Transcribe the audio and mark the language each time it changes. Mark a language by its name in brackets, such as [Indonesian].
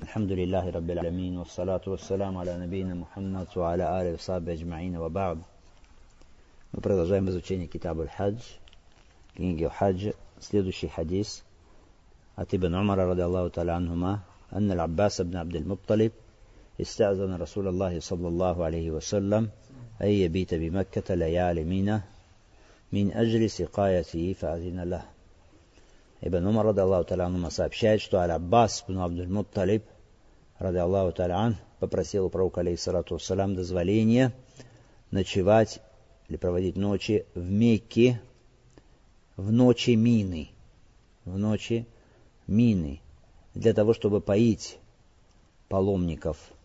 [Arabic] الحمد لله رب العالمين، والصلاة والسلام على نبينا محمد وعلى آله وصحبه أجمعين، وبعد. [Russian] Мы продолжаем изучение Китаб аль-Хадж, книги Хадж. Следующий хадис от Ибн Умара [Arabic] رضي الله تعالى عنهما أن العباس بن عبد المطلب استأذن رسول الله صلى الله عليه وسلم أن يبيت بمكة ليالي مينة من أجل سقايته فأذن له. [Russian] Ибн Умар радиаллаху тааляну сообщает, что Аль-Аббас ибн Абдул-Мутталиб радиаллаху тааляан попросил у пророка алейхиссалату вассалям дозволения ночевать или проводить ночи в Мекке в ночи мины для того, чтобы поить паломников.